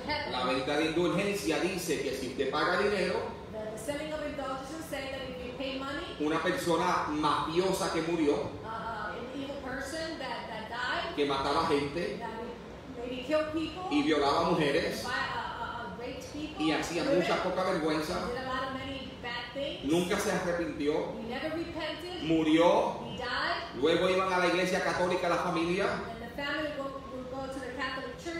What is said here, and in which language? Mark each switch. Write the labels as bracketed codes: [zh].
[es] La venta de indulgencia dice que si usted paga dinero, [en] selling of indulgences said that if you pay money, [es] una persona mafiosa que murió, [en] an evil person that died, [es] que mataba gente, [en] that maybe killed people, [es] y violaba mujeres, [en] raped people, [es] y hacía mucha poca vergüenza, [en] did a lot of many bad things, [es] nunca se arrepintió, [en] he never repented, [es] murió, [en] he died, [es] luego iban a la iglesia católica la familia, [en] and the family would go to the Catholic Church,